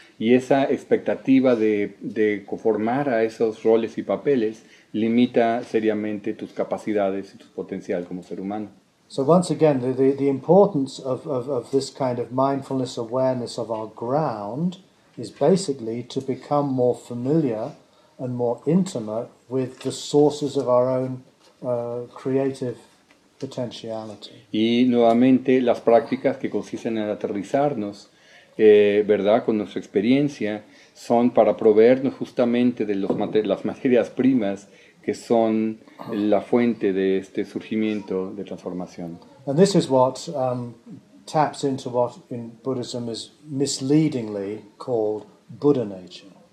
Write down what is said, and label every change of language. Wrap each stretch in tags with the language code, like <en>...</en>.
<es>Y esa expectativa de conformar a esos roles y papeles limita seriamente tus capacidades y tu potencial como ser humano.</es> <en>So once again, the importance of this kind of mindfulness awareness of our ground is basically to become more familiar and more intimate with the sources of our own creative potentiality.</en> <es>Y nuevamente, las prácticas que consisten en aterrizarnos, ¿verdad?, con nuestra experiencia, son para proveernos justamente de las materias primas que son la fuente de este surgimiento de transformación.</es> <en>And this is what taps into what in Buddhism is misleadingly called Buddha nature.</en>